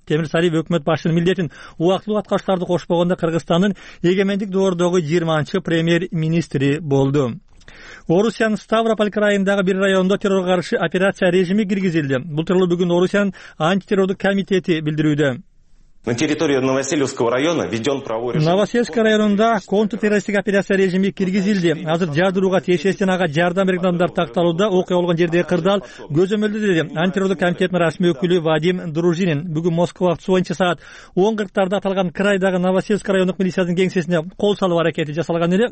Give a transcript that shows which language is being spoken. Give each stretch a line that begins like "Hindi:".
Kyrgyz: Темир Сариев өкмөт башчынын милдетин убактылуу аткарышаарды кошпогондо Кыргызстандын эгемендик доордогу 20-нчы премьер министри болду. Орусиянын Ставрополь крайындагы бир районунда террорго каршы операция режими киргизилди. Бул тууралуу бүгүн Орусиянын антитеррордук комитети билдирүүдө.
Russian: На территории Новосельского района введен правовой режим.
Kyrgyz: Новосельский районунда контртеррористтик операция режими киргизилди. Азыр жардырууга тиешестен ага жардам берген адамдар такталууда. Окуя болгон жердеги кырдаал көзөмөлдө деди антитеррордук комитеттин расмий өкүлү Вадим Дружинин. Бүгүн Москва убактысы боюнча саат 10:40 аталган крайдагы Новосельский райондук милициянын кеңсесине кол салуу аракети жасалган эле.